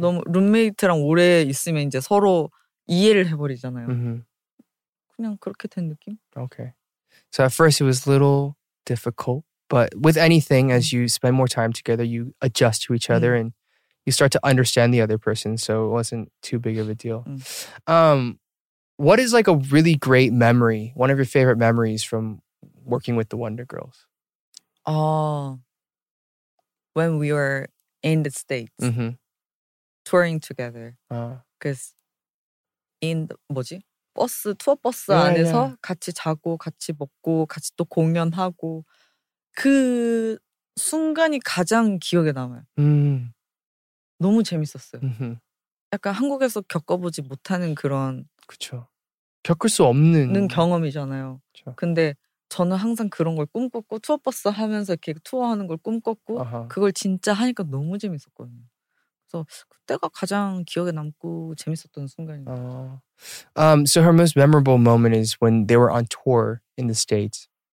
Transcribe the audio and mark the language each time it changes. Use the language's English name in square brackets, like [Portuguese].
[Korean] 너무 룸메이트랑 오래 있으면 이제 서로 이해를 해버리잖아요. Mm-hmm. 그냥 그렇게 된 느낌? [English] Okay. So at first it was a little difficult. But with anything, as you spend more time together, you adjust to each other and you start to understand the other person. So it wasn't too big of a deal. What is like a really great memory, one of your favorite memories from working with the Wonder Girls? Oh, when we were in the States, touring together. Because in the, [Korean] 뭐지? 버스, 투어 버스 안에서 같이 자고, 같이 먹고, 같이 또 공연하고. 그 순간이 가장 기억에 남아요. 너무 재밌었어요. 약간 한국에서 겪어보지 못하는 그런… 그쵸. 겪을 수 없는… 경험이잖아요. 그쵸. 근데 저는 항상 그런 걸 꿈꿨고 투어버스 하면서 이렇게 투어하는 걸 꿈꿨고 아하. 그걸 진짜 하니까 너무 재밌었거든요. 그래서 그때가 가장 기억에 남고 재밌었던 순간입니다. [English] So her most memorable moment is when they were on tour in the States.